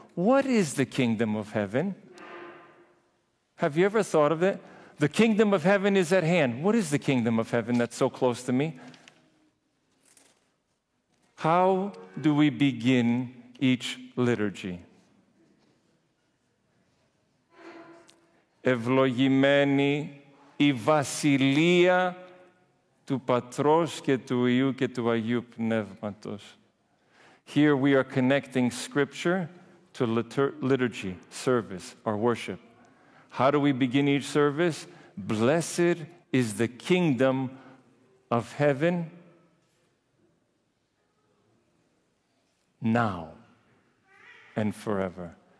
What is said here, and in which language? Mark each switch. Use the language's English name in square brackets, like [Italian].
[English] What is the kingdom of heaven? Have you ever thought of it? The kingdom of heaven is at hand. What is the kingdom of heaven that's so close to me? How do we begin each liturgy? [Greek] Ευλογημένη η βασιλεία του Πατρός και του Υιού και του Αγίου Πνεύματος. [English] Here we are connecting scripture to liturgy, service, or worship. How do we begin each service? Blessed is the kingdom of heaven now and forever.